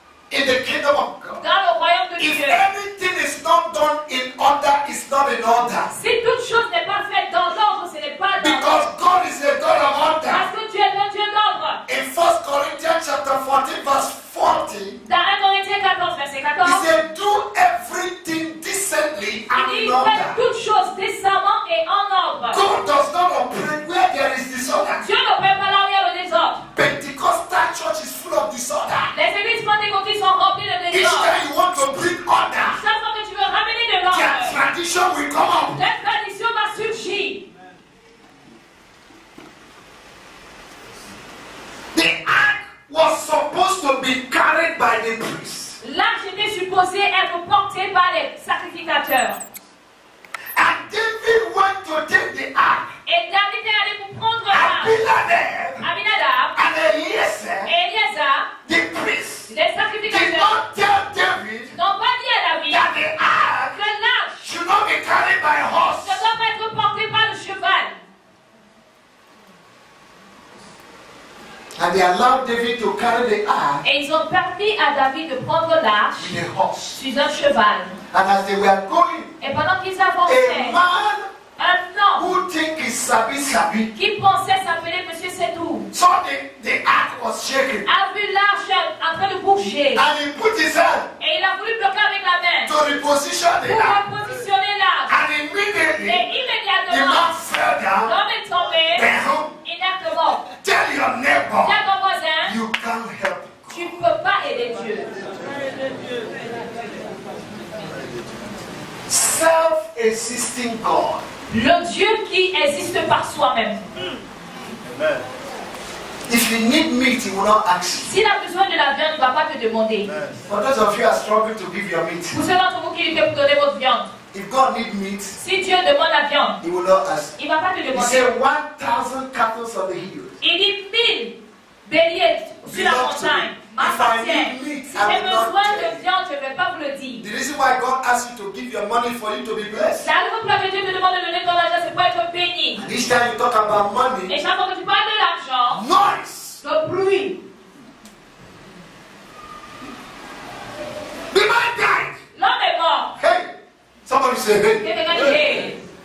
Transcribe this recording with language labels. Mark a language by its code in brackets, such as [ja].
[en] anything is not done in order, it's not in order. [fr] Si toute chose n'est pas faite dans l'ordre, ce n'est pas dans. [en] Because God is the God of order. [fr] Parce que Dieu est le Dieu d'ordre. [en] In 1 Corinthians chapter 14 verse 40. [fr] Dans 1 Corinthiens 14 verset 14. [en] He said, do everything decently and in order. [fr] Il fait toute chose décemment et en ordre. [en] God does not operate where there is disorder. [fr] Dieu n'opère pas là où il y a le désordre. [en] Pentecostal church is full of disorder. [fr] Les églises pentecôtistes sont remplies de désordre. [en] Each time you want to bring order, [fr] chaque fois que tu veux ramener de l'ordre, [en] their tradition will come up. [fr] La tradition va surgir. [en] The ark was supposed to be carried by the priest. [fr] L'arche était supposée être portée par les sacrificateurs. [en] And David went to take the ark. [fr] Et David est allé pour prendre l'arche. Abinadab. [en] And Eliezer. The priest. [fr] Les sacrificateurs. [en] Did not tell David. [fr] N'ont pas dit à David. [en] That the ark. [fr] Que l'arche. [en] Should not be carried by horse. [fr] Ne doit pas être portée par le cheval. [en] And they allowed David to carry the ark. [fr] Et ils ont permis à David de prendre l'arche. [en] With a horse. [fr] Sur un cheval. [en] And as they were going. [fr] Et pendant qu'ils avançaient. [en] A man. [fr] Un homme. [en] Who think is Sabi Sabi. [fr] Qui pensait s'appeler Monsieur Sedou. [en] Saw the ark was shaking. [fr] A vu l'arche en train de bouger. [en] And he put his hand. [fr] Et il a voulu bloquer avec la main. [en] To reposition the ark. [fr] Pour repositionner l'arche. [en] And immediately. [fr] Et immédiatement. [en] The man fell down. [fr] L'homme est tombé. Bam. Inertement. [en] Tell your neighbor. [fr] Dis à ton voisin. [en] You can't help. [fr] Tu ne peux pas aider Dieu. [en] Self-existing God. [fr] Le Dieu qui existe par soi-même. [en] Amen. If you need meat, he will not ask. [fr] S'il a besoin de la viande, il ne va pas te demander. [en] For those of you who struggle to give your meat. [fr] Pour ceux d'entre vous qui luttent pour donner votre viande. [en] If God need meat, [fr] si Dieu demande la viande, [en] he will not ask. [fr] Il ne va pas te demander. [en] He said 1,000 cattle on the hill. [fr] Il dit 1,000 béliers sur la montagne. [en] If I need meat, I will not tell. The reason why God asks you to give your money for you to be blessed. [fr] La raison pour laquelle Dieu te demande de donner ton argent, c'est pour être béni. Et chaque fois que tu parles de l'argent, [en] noise, [fr] le bruit. [en] The man died. [fr] L'homme est mort. [en] Hey, somebody say hey.